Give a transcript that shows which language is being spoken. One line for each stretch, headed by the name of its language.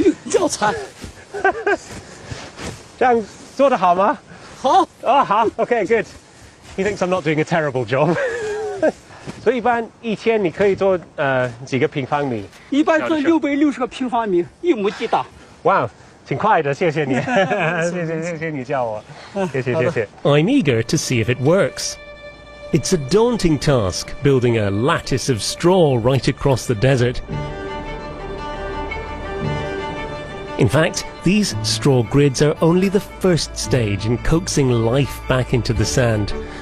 Chinese: 教材。这样做得好吗？好。啊，好。OK,
English: good. He thinks I'm not doing a terrible job.
Chinese: 所以一般一天你可以做几个平方米？一般做660个平方米，一亩地大。Wow, 挺快的，谢谢你，谢谢你叫我，谢谢。
English: I'm eager to see if it works. It's a daunting task building a lattice of straw right across the desert. In fact, these straw grids are only the first stage in coaxing life back into the sand.